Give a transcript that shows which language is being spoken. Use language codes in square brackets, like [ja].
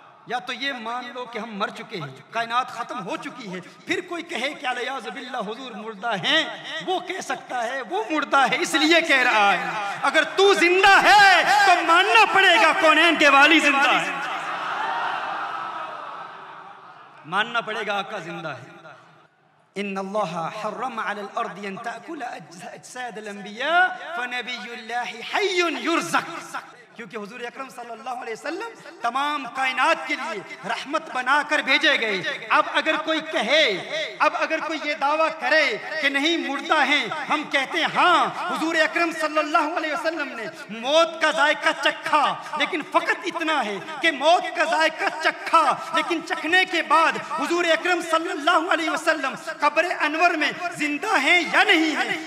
[ur] یا تو یہ مان لو کہ ہم مر چکے ہیں, کائنات ختم ہو چکی ہے, پھر کوئی کہے کہ علیہ باللہ حضور مردہ ہیں, وہ کہہ سکتا ہے وہ مردہ ہے اس لیے کہہ رہا ہے, اگر تو زندہ ہے تو ماننا پڑے گا کونین کے والی زندہ ہے, ماننا پڑے گا آقا زندہ ہے. [ar] إن الله حرم على الأرض أن تأكل أجساد الأنبياء فنبي الله حي يرزق. [ur] کیونکہ حضور اکرم صلی اللہ علیہ وسلم تمام کائنات کے لیے رحمت بنا کر بھیجے گئے. اب اگر کوئی کہے, اب اگر کوئی یہ دعویٰ کرے کہ نہیں مردہ ہیں, ہم کہتے ہیں ہاں, حضور اکرم صلی اللہ علیہ وسلم نے موت کا ذائقہ چکھا, لیکن فقط اتنا ہے کہ موت کا ذائقہ چکھا لیکن چکھنے کے بعد حضور اکرم صلی اللہ علیہ وسلم قبر انور میں زندہ ہیں یا نہیں ہیں.